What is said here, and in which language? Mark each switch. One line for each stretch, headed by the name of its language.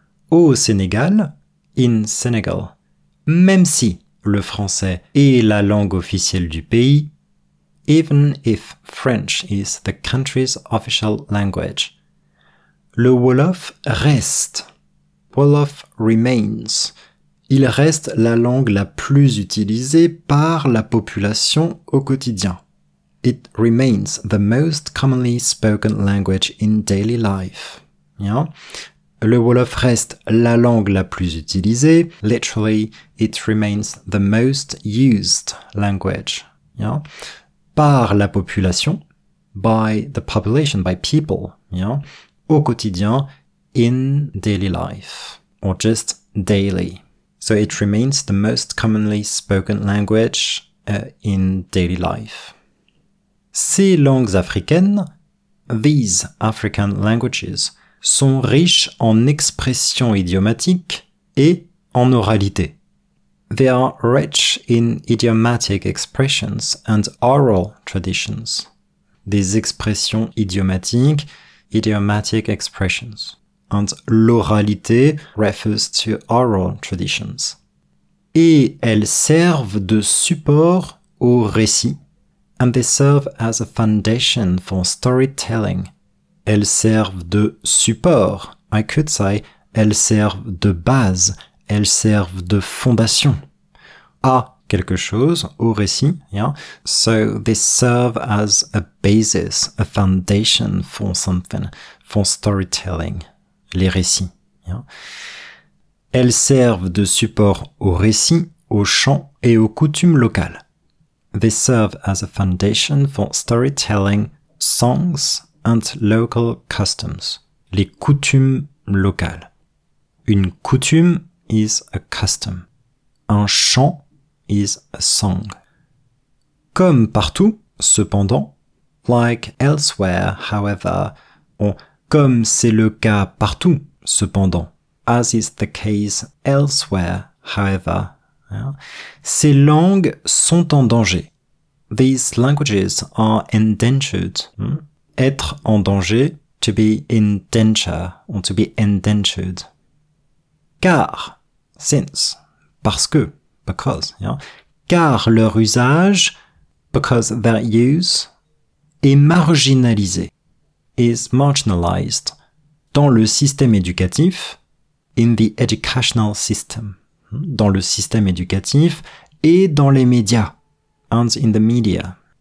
French: Au Sénégal,
English: in Senegal,
French: même si le français est la langue officielle du pays,
English: even if French is the country's official language,
French: le Wolof reste.
English: Wolof remains.
French: Il reste la langue la plus utilisée par la population au quotidien.
English: It remains the most commonly spoken language in daily life.
French: Le Wolof reste la langue la plus utilisée.
English: Literally, it remains the most used language.
French: Par la population,
English: by the population, by people,
French: au quotidien,
English: in daily life, or just daily. So it remains the most commonly spoken language in daily life.
French: Ces langues africaines,
English: these African languages,
French: sont riches en expressions idiomatiques et en oralité.
English: They are rich in idiomatic expressions and oral traditions.
French: des expressions idiomatiques,
English: idiomatic expressions. And l'oralité refers to oral traditions.
French: Et elles servent de support au récit.
English: And they serve as a foundation for storytelling.
French: Elles servent de support.
English: I could say,
French: elles servent de base. Elles servent de fondation. À quelque chose, au récit.
English: Yeah. So they serve as a basis, a foundation for something, for storytelling.
French: Les récits. Yeah. Elles servent de support au récit, au chant et aux coutumes locales.
English: They serve as a foundation for storytelling, songs and local customs.
French: Les coutumes locales. Une coutume
English: is a custom.
French: Un chant
English: is a song.
French: Comme partout, cependant,
English: like elsewhere, however, or
French: comme c'est le cas partout, cependant,
English: as is the case elsewhere, however. Yeah.
French: Ces langues sont en danger.
English: These languages are endangered. Hmm?
French: Être en danger,
English: to be in danger, or to be endangered. Car, since,
French: parce que,
English: because, yeah.
French: Car leur usage,
English: because their use,
French: est marginalisé,
English: is marginalized,
French: dans le système éducatif,
English: in the educational system,
French: dans le système éducatif et dans les médias,
English: and in the media.